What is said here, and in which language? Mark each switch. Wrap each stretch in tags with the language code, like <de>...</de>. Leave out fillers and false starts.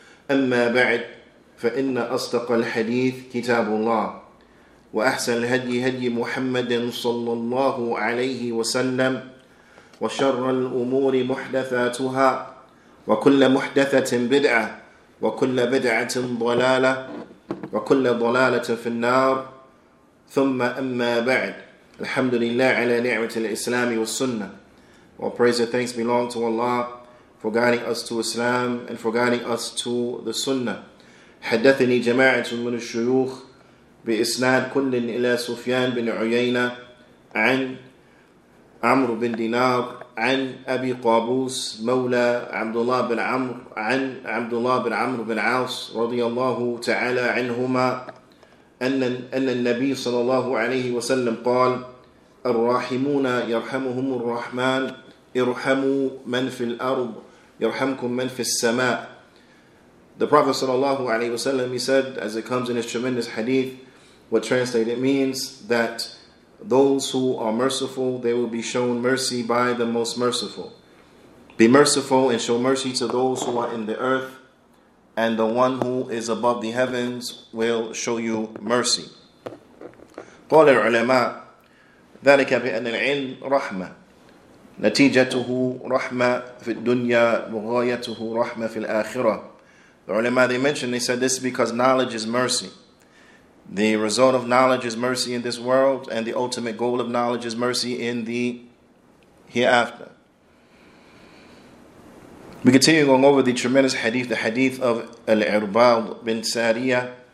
<ar>أما بعد فإن أصدق الحديث كتاب الله وأحسن الهدي هدي محمد صلى الله عليه وسلم وشر الأمور محدثاتها وكل محدثة بدعة وكل بدعة ضلالة وكل ضلالة في النار ثم أما بعد الحمد لله على نعمة الإسلام والسنة.</ar> <en>All praise and thanks belong to Allah for guiding us to Islam and for guiding us to the Sunnah.</en> <ar>حدثني جماعة من الشيوخ بإسناد كل إلى سفيان بن عيينة عن عمرو بن دينار عن أبي قابوس مولى عبد الله بن عمرو عن عبد الله بن عمرو بن عاص رضي الله تعالى عنهما أن النبي صلى الله عليه وسلم قال الراحمون يرحمهم الرحمن ارحموا من في الأرض يرحمكم من في السماء.</ar> <en>The Prophet صلى الله عليه وسلم, he said, as it comes in his tremendous hadith, what translated means that those who are merciful, they will be shown mercy by the most merciful. Be merciful and show mercy to those who are in the earth, and the one who is above the heavens will show you mercy.</en> <ar>قال العلماء ذلك بأن العلم رحمة نتيجته رحمة في الدنيا وغايته رحمة في الآخرة.</ar> <en>The ulama, they mentioned, they said this because knowledge is mercy. The result of knowledge is mercy in this world, and the ultimate goal of knowledge is mercy in the hereafter. We continue going over the tremendous hadith, the hadith of Al-Irbal bin Sariyah.</en>